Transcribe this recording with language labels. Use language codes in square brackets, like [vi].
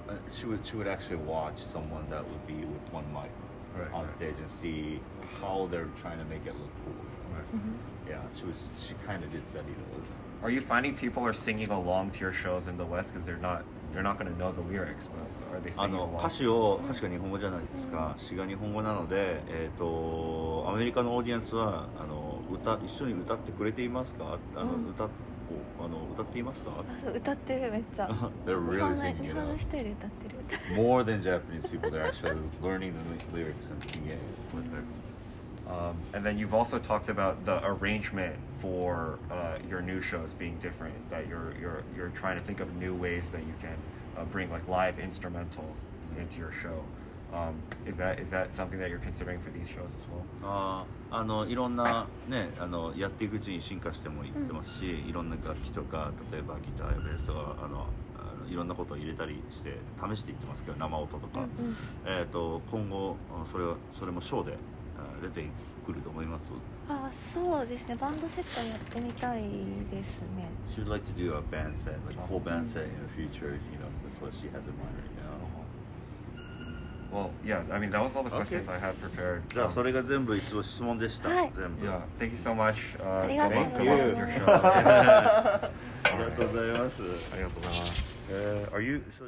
[en] She would actually watch someone that would be with one mic on stage and see how they're trying to make it look cool. Right. Mm-hmm. Yeah, she kind of did study those. Are you finding people are singing along to your shows in the West because they're not going to know the lyrics, but are they singing along? [ja] 歌詞が日本語じゃないですか。詞が日本語なので、アメリカのオーディエンスは一緒に歌ってくれていますか？歌っていますか？歌ってる、めっちゃ。 [en] They're really singing. [ja] 日本の人より歌ってる。 [en] More than Japanese people, they're actually learning the lyrics and singing with her. And then you've also talked about the arrangement for your new shows being different. That you're trying to think of new ways that you can bring like live instrumentals into your show. Is that something that you're considering for these shows as well? [ja] いろんなね、やっていくうちに進化してもいってますし、いろんな楽器とか、例えばギターやベースとか、いろんなことを入れたりして試していってますけど、生音とか、今後それもショーで出てくると思います？そうですね、バンドセットやってみたいですね。 [en] She would like to do a band set, like full band set in the future, you know, that's what she has in mind right now. Well, yeah, I mean, that was all the questions I had prepared. [ja] じゃあ、それが全部一応質問でした。全部。 [en] Yeah, thank you so much. [ja] ありがとうございます。ありがとうございます。ありがとうございます。